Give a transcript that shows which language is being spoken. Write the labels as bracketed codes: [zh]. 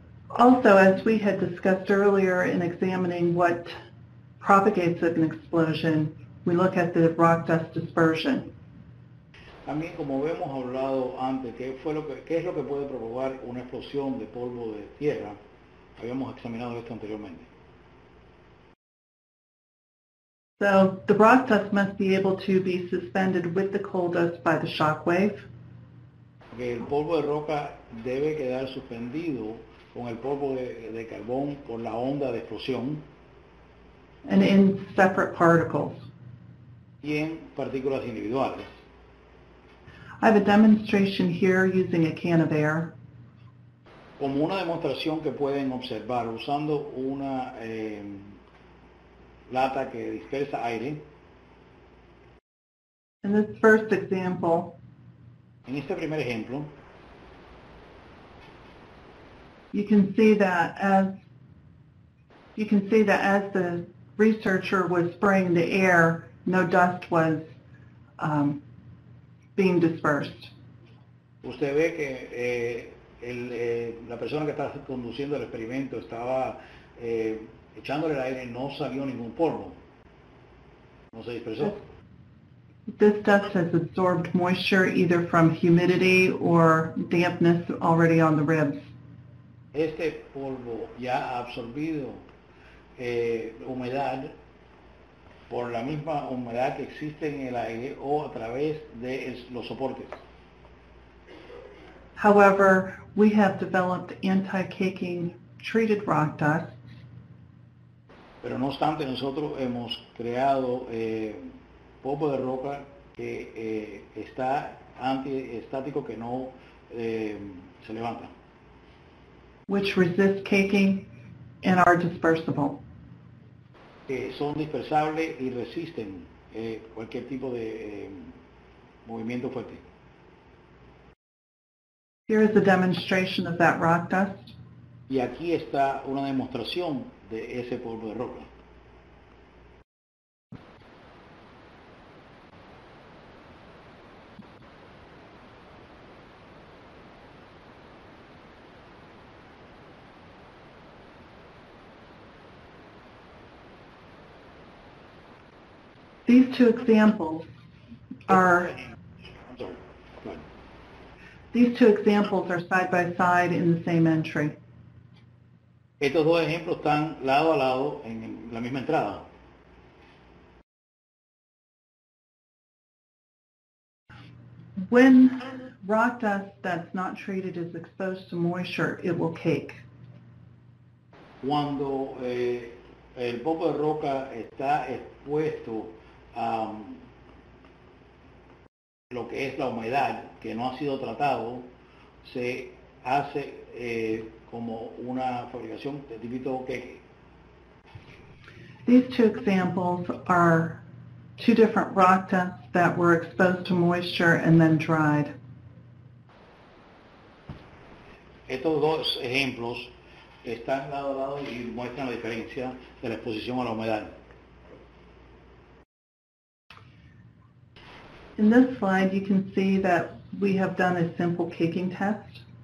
[en] Also, as we had discussed earlier in examining what propagates an explosion, we look at the rock dust dispersion. [es] También como hemos hablado antes, ¿qué es lo que puede provocar una explosión de polvo de tierra? Habíamos examinado esto anteriormente. [en] So, the rock dust must be able to be suspended with the coal dust by the shock wave. [es] Okay, el polvo de roca debe quedar suspendido con el polvo de carbón por la onda de explosión. [en] And in separate particles. [es] Y en partículas individuales. [en] I have a demonstration here using a can of air. [es] Como una demostración que pueden observar usando una lata que dispersa aire. [en] In this first example. [es] En este primer ejemplo. [en] You can see that as You can see that as the researcher was spraying the air, no dust was being dispersed. [es] Usted ve que la persona que estaba conduciendo el experimento estaba echándole el aire, no salió ningún polvo. No se dispersó. [en] This dust has absorbed moisture either from humidity or dampness already on the ribs. [es] Este polvo ya ha absorbido humedad por la misma humedad que existe en el aire o a través de los soportes. [en] However, we have developed anti-caking treated rock dust. [es] Pero no obstante, nosotros hemos creado polvo de roca que está antiestático, que no se levanta. [en] Which resist caking and are dispersible. [es] Que son dispersables y resisten cualquier tipo de movimiento fuerte. [en] Here is a demonstration of that rock dust. [es] Y aquí está una demostración de ese polvo de roca. [en] These two examples are side by side in the same entry. [es] Estos dos ejemplos están lado a lado en la misma entrada. [en] When rock dust that's not treated is exposed to moisture, it will cake. [es] Cuando el polvo de roca está expuesto a lo que es la humedad que no ha sido tratado, se hace como una fabricación de tipito queque. [en] These two examples are two different rock dusts that were exposed to moisture and then dried. [es] Estos dos ejemplos están lado a lado y muestran la diferencia de la exposición a la humedad. [en] In this slide, you can see that we have done a simple caking test.